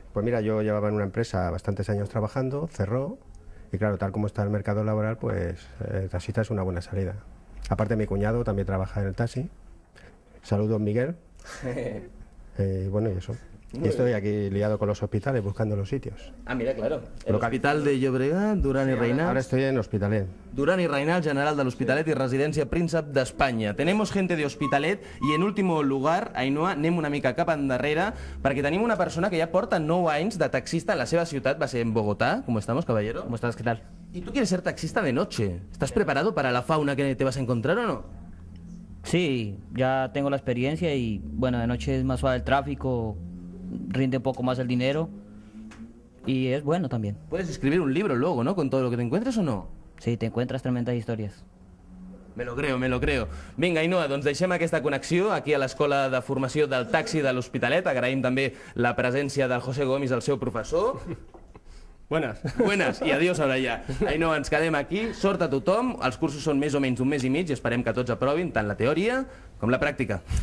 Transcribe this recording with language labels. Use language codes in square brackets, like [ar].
[es] Pues mira, yo llevaba en una empresa bastantes años trabajando, cerró, y claro, tal como está el mercado laboral, pues el taxista es una buena salida. Aparte, mi cuñado también trabaja en el taxi. Saludos, Miguel. y eso. Y estoy aquí liado con los hospitales, buscando los sitios. Ah, mira, claro. Hospital de Llobregat, Duran i Reynals. Ahora estoy en Hospitalet. [ca] Duran i Reynals, general de l'Hospitalet, sí. I residència príncep d'Espanya. [es] Tenemos gente de Hospitalet [ca] i en últim lugar, Ainhoa, anem una mica cap endarrere perquè tenim una persona que ja porta 9 anys de taxista en la seva ciutat, va ser en Bogotà. [es] ¿Cómo estamos, caballero? ¿Cómo estás? ¿Qué tal? ¿Y tú quieres ser taxista de noche? ¿Estás preparado para la fauna que te vas a encontrar o no? Sí, ya tengo la experiencia y, bueno, de noche es más suave el tráfico. Rinde un poco más el dinero y es bueno también. Puedes escribir un libro luego, ¿no? Con todo lo que te encuentres o no. Sí, te encuentras tremendas historias. Me lo creo. [ca] Vinga, Ainhoa, doncs deixem aquesta connexió aquí a l'escola de formació del taxi de l'Hospitalet. Agraïm també la presència del José Gómez, el seu professor. [es] Buenas, [ca] i adiós ara ja. Ainhoa, ens quedem aquí. Sort a tothom. Els cursos són més o menys un mes i mig i esperem que tots aprovin tant la teoria com la pràctica.